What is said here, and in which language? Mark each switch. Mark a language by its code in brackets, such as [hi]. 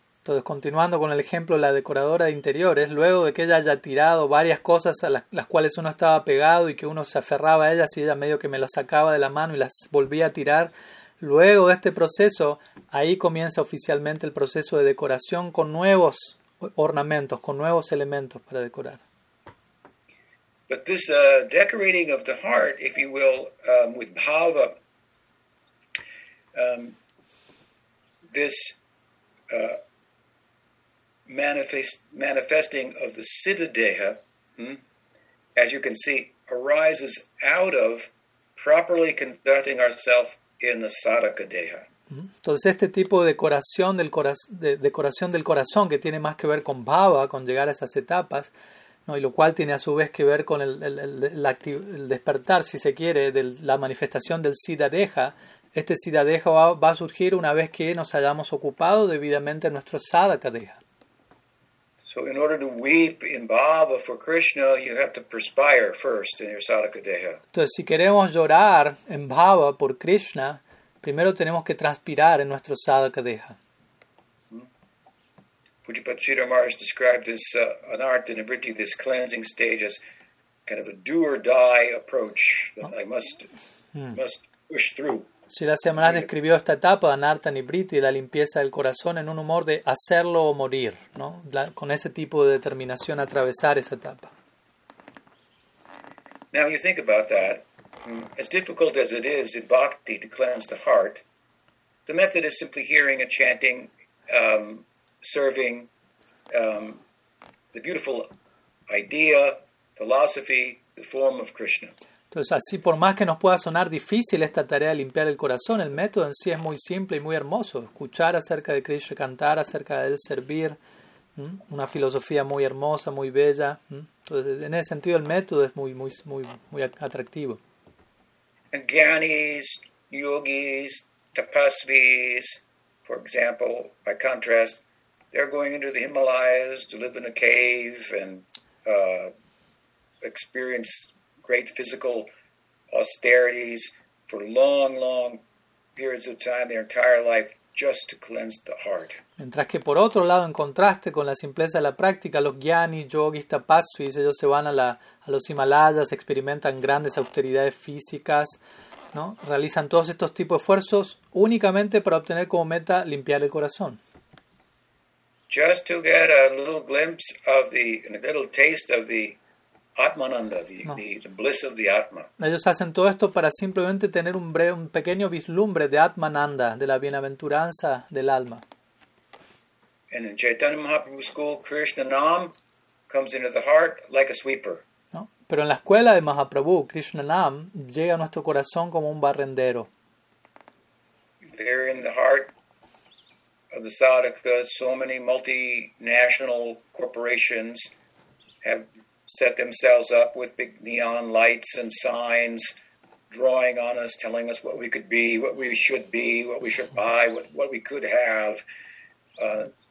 [es] Entonces, continuando con el ejemplo de la decoradora de interiores, luego de que ella haya tirado varias cosas a las cuales uno estaba pegado y que uno se aferraba a ellas, y ella medio que me las sacaba de la mano y las volvía a tirar, luego de este proceso, ahí comienza oficialmente el proceso de decoración con nuevos ornamentos, con nuevos elementos para decorar. [en] But this decorating of the heart, if you will, with bhava, manifesting of the siddhadeha, as you can see, arises out of properly conducting ourselves in the sadhaka deha. [es] Entonces este tipo de decoración del corazón que tiene más que ver con bhava, con llegar a esas etapas, ¿no? Y lo cual tiene a su vez que ver con el despertar, si se quiere, de la manifestación del siddhadeha. Este siddhadeha va a surgir una vez que nos hayamos ocupado debidamente en nuestro sadhaka deha. [en] So in order to weep in bhava for Krishna, you have to perspire first in your sadhaka deha. [es] Entonces, si queremos llorar en bhava por Krishna, primero tenemos que transpirar en nuestro sadhaka deha. [en] Pujapati Sridhar Maharaj described this anartha nibriti, this cleansing stage, as kind of a do or die approach that I must push through. [es] Sridhar Maharaj describió esta etapa de anartha nibriti, la limpieza del corazón, en un humor de hacerlo o morir, ¿no? Con ese tipo de determinación atravesar esa etapa. [en] Now you think about that. As difficult as it is in bhakti to cleanse the heart, the method is simply hearing and chanting, serving the beautiful idea, philosophy, the form of Krishna. [es] Entonces, así por más que nos pueda sonar difícil esta tarea de limpiar el corazón, el método en sí es muy simple y muy hermoso. Escuchar acerca de Krishna, cantar acerca de él, servir, una filosofía muy hermosa, muy bella. Entonces, en ese sentido, el método es muy, muy, muy, muy atractivo. [en] Gyanis, yogis, tapasvis, for example, by contrast, they're going into the Himalayas to live in a cave and experience great physical austerities for long, long periods of time, their entire life, just to cleanse the heart. [es] Mientras que por otro lado, en contraste con la simpleza de la práctica, los gyanis, yogis, tapasvis, ellos se van a los Himalayas, experimentan grandes austeridades físicas, ¿no? Realizan todos estos tipos de esfuerzos únicamente para obtener como meta limpiar el corazón. [en] Just to get a little glimpse of the, a little taste of the Atmananda, the bliss of the Atma. [es] Ellos hacen todo esto para simplemente tener un pequeño vislumbre de Atmananda, de la bienaventuranza del alma. [en] And in Chaitanya Mahaprabhu school, Krishna Nam comes into the heart like a sweeper. [es] No, pero en la escuela de Mahaprabhu, Krishna Nam llega a nuestro corazón como un barrendero. [en] There in the heart of the sadhaka, so many multinational corporations have set themselves up with big neon lights and signs, drawing on us, telling us what we could be, what we should buy, what we could have.